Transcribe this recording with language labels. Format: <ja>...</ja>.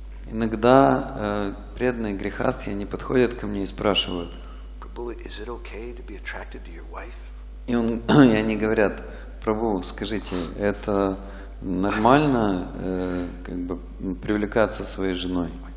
<ru>Иногда преданные грехастхи они подходят ко мне и спрашивают.</ru> <en>Prabhu, is it okay to be attracted to your wife?</en> <ru>И они говорят: Прабху, скажите, это нормально как бы привлекаться своей женой?</ru>